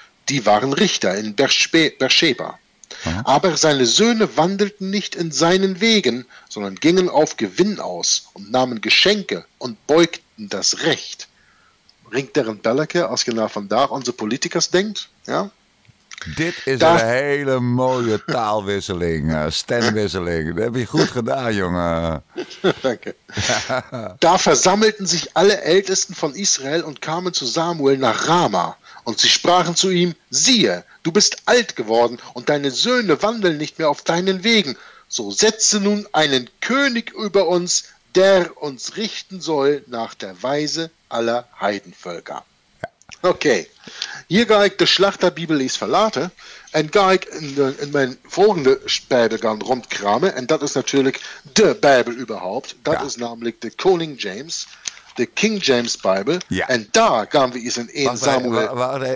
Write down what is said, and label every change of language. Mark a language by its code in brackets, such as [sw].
[de] Die waren Richter in Beersheba. Aber seine Söhne wandelten nicht in seinen Wegen, sondern gingen auf Gewinn aus und nahmen Geschenke und beugten das Recht. Ringt deren Belleke, als genau von da unsere Politiker denkt, ja? [nl] Dit is da- een hele mooie taalwisseling, stemwisseling. Dat heb je goed gedaan, jongen. Dank je. [de] Da versammelten sich alle Ältesten von Israel und kamen zu Samuel nach Rama. Und sie sprachen zu ihm, siehe, du bist alt geworden und deine Söhne wandeln nicht mehr auf deinen Wegen. So setze nun einen König über uns, der uns richten soll nach der Weise aller Heidenvölker. [nl] Okay, hier ga ik de Schlachterbibel eens verlaten en ga ik in mijn volgende Bijbel gaan rondkramen. En dat is natuurlijk de Bijbel überhaupt. Dat is namelijk de Koning James. De King James Bible. Ja. En daar gaan we eens in een Samuel.